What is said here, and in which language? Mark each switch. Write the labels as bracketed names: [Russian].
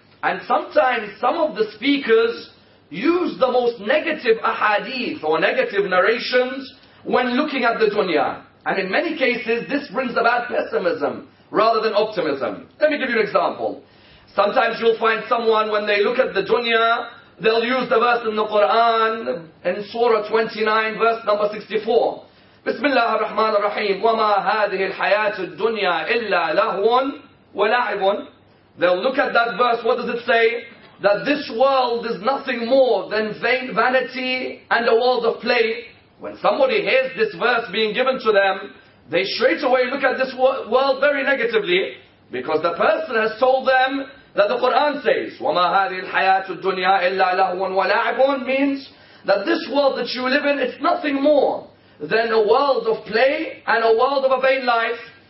[English] And sometimes some of the speakers use the most negative ahadith or negative narrations when looking at the dunya. And in many cases, this brings about pessimism rather than optimism. Let me give you an example. Sometimes you'll find someone, when they look at the dunya, they'll use the verse in the Quran, in Surah 29, verse number 64. [Arabic] بسم الله الرحمن الرحيم وما هذه الحياة الدنيا إلا لهو ولعب. [English] They'll look at that verse. What does it say? That this world is nothing more than vain vanity and a world of play. When somebody hears this verse being given to them, they straight away look at this world very negatively, because the person has told them that the Quran says [Arabic] وما هذه الحياة الدنيا إلا لهو ولعب, [English] means that this world that you live in, it's nothing more than a world of play and a world of a vain life.